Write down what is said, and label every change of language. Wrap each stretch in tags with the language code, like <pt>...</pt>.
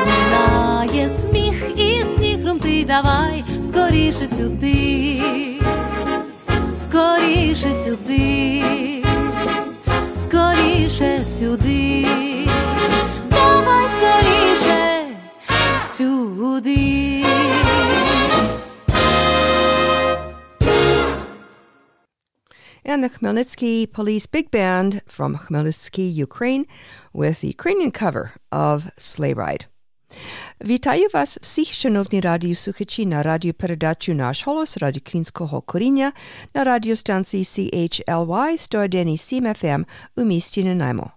<uk>Лунає сміх і сніг хрумтий, давай скоріше сюди. Скоріше сюди, скоріше сюди, давай скоріше сюди.</uk> <en>And the Khmelnytsky Police Big Band from Khmelnytsky, Ukraine, with the Ukrainian cover of Sleigh Ride.</en> <uk>Вітаю вас всіх, шановні радіослухачі, на радіопередачу «Наш голос» радіо Українського коріння на радіостанції CHLY 101.7 FM у місті Нанаймо.</uk>